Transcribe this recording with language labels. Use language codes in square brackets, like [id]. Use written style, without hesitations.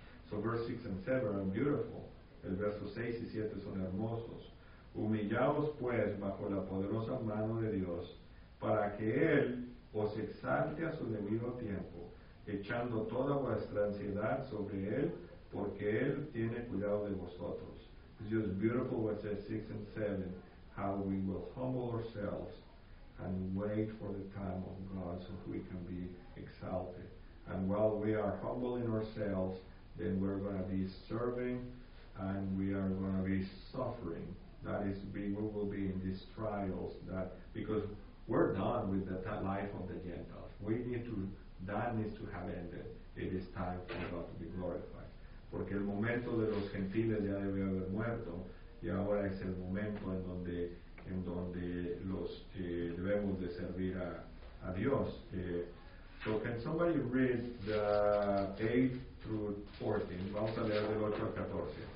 [en] So verse 6 and 7 are beautiful. [es] El verso 6 y 7 son hermosos. Humillaos pues bajo la poderosa mano de Dios, para que Él os exalte a su debido tiempo, echando toda vuestra ansiedad sobre Él, porque Él tiene cuidado de vosotros. [en] It's just beautiful what says 6 and 7, how we will humble ourselves and wait for the time of God so we can be exalted. And while we are humbling ourselves, then we're going to be serving and we are going to be suffering. That is, we will be in these trials, that because we're done with the life of the Gentiles. We need to, that needs to have ended. It is time for God to be glorified. [es] porque el momento de los gentiles ya debe haber muerto, y ahora es el momento en donde los debemos de servir a Dios. [en] So can somebody read the 8 through 14? [es] Vamos a leer del 8 al 14.